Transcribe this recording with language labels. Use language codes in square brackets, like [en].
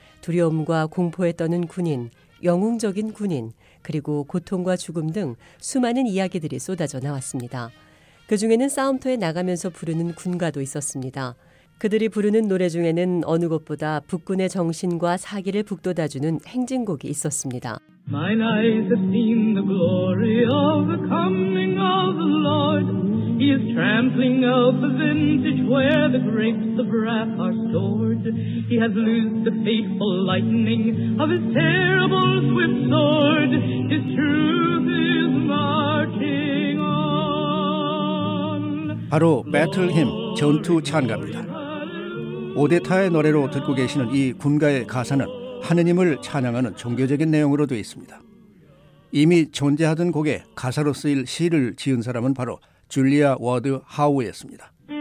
[ko] 두려움과 공포에 떠는 군인, 영웅적인 군인, 그리고 고통과 죽음 등 수많은 이야기들이 쏟아져 나왔습니다. 그중에는 싸움터에 나가면서 부르는 군가도 있었습니다. 그들이 부르는 노래 중에는 어느 것보다 북군의 정신과 사기를 북돋아주는 행진곡이 있었습니다. [en] Mine eyes have seen the glory of the coming of the Lord. He is trampling out the vintage where the grapes of wrath are stored. He has loosed the fateful lightning of his terrible swift sword. His truth is marching on. [ko] 바로 배틀힘 전투 찬가입니다. 오데타의 노래로 듣고 계시는 이 군가의 가사는 하느님을 찬양하는 종교적인 내용으로 되어 있습니다. 이미 존재하던 곡에 가사로 쓰일 시를 지은 사람은 바로 줄리아 워드 하우였습니다.